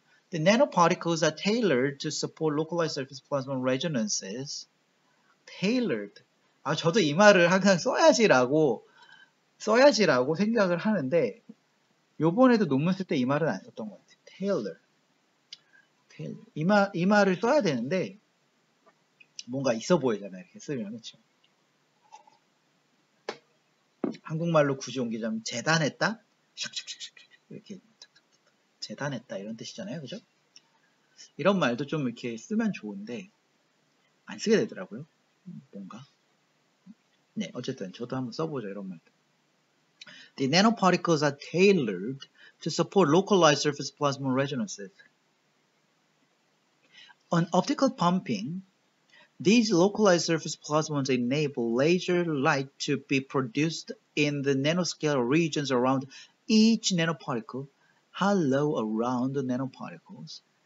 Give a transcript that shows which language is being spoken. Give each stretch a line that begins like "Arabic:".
English: The nanoparticles are tailored to support localized surface plasmon resonances. Tailored.
Korean: 아, 저도 이 말을 항상 써야지라고 생각을 하는데, 요번에도 논문 쓸 때 이 말은 안 썼던 것 같아요.
English: Tailored.
Korean: 이 말을 써야 되는데 뭔가 있어 보이잖아요. 이렇게 쓰면 그렇죠. 한국말로 굳이 옮기자면 재단했다? 이렇게 재단했다 이런 뜻이잖아요. 그죠? 이런 말도 좀 이렇게 쓰면 좋은데 안 쓰게 되더라고요. 뭔가. 네, 어쨌든 저도 한번 써보죠. 이런 말도.
English: The nanoparticles are tailored to support localized surface plasmon resonances. On optical pumping, these localized surface plasmons enable laser light to be produced in the nanoscale regions around each nanoparticle, hollow around the nanoparticles.